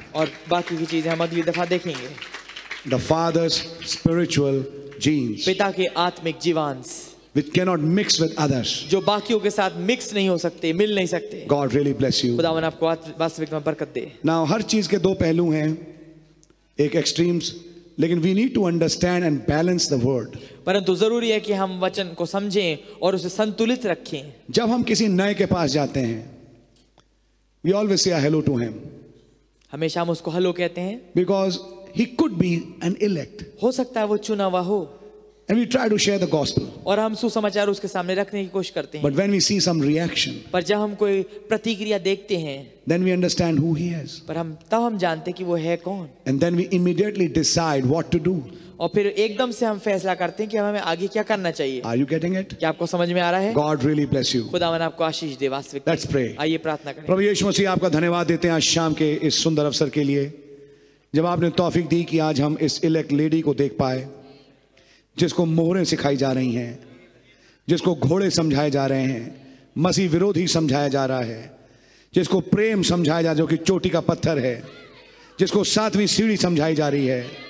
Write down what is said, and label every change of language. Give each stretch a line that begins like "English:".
Hindi: और बाकी की चीजें हम अगली दफा देखेंगे.
English: The father's spiritual genes,
Hindi: पिता के आत्मिक जीवांश,
English: which cannot mix with others,
Hindi: जो बाकियों के साथ mix नहीं हो सकते, मिल नहीं सकते.
English: God really bless you.
Hindi: खुदावन आपको वास्तविक में बरकत दे.
English: Now
Hindi: हर चीज के दो पहलू हैं, एक
English: extremes,
Hindi: लेकिन
English: we need to understand and balance the word.
Hindi: परंतु जरूरी है कि हम वचन को समझें और उसे संतुलित रखें. जब हम किसी नए के पास जाते हैं,
English: we always say hello to him.
Hindi: हमेशा हम उसको हेलो कहते हैं.
English: Because he could be an elect.
Hindi: हो सकता है वो चुना हुआ हो.
English: And we try to share the gospel.
Hindi: और हम सुसमाचार उसके सामने रखने की कोशिश करते हैं.
English: But when we see some reaction,
Hindi: पर जब हम कोई प्रतिक्रिया देखते हैं,
English: then we understand who he is.
Hindi: पर हम तब हम जानते कि वो है कौन.
English: And then we immediately decide what to do.
Hindi: और फिर एकदम से हम फैसला करते हैं कि हमें आगे क्या करना चाहिए.
English: Are you getting it?
Hindi: क्या आपको समझ में आ रहा है?
English: God really bless you.
Hindi: खुदावन आपको आशीष दे वास्तविक.
English: Let's pray.
Hindi: आइए प्रार्थना करें. प्रभु यीशु मसीह आपका धन्यवाद देते हैं आज शाम के इस सुंदर अवसर के लिए जब आपने तौफीक दी कि आज हम इस इलेक्ट लेडी को देख पाए जिसको मोहरें सिखाई जा रही हैं जिसको घोड़े समझाए जा रहे हैं मसीह विरोधी समझाया जा रहा है जिसको प्रेम समझाया जा रहा है जो कि चोटी का पत्थर है जिसको सातवीं सीढ़ी समझाई जा रही है